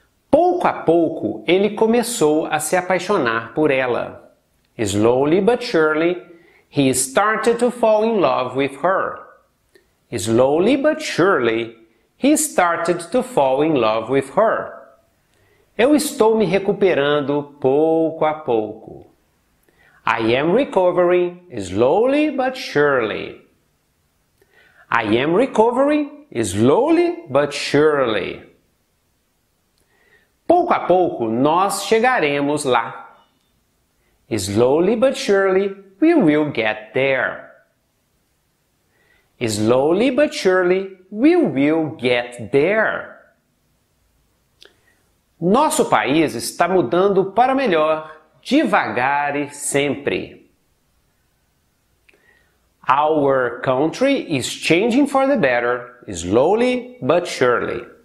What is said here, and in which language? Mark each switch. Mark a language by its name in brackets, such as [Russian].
[Portuguese] Pouco a pouco ele começou a se apaixonar por ela. [English] Slowly but surely, he started to fall in love with her. Slowly but surely, he started to fall in love with her. [Portuguese] Eu estou me recuperando pouco a pouco. [English] I am recovering slowly but surely. I am recovering slowly but surely. [Portuguese] Pouco a pouco nós chegaremos lá. [English] Slowly but surely we will get there. Slowly but surely, we will get there. [Portuguese] Nosso país está mudando para melhor, devagar e sempre. [English] Our country is changing for the better, slowly but surely.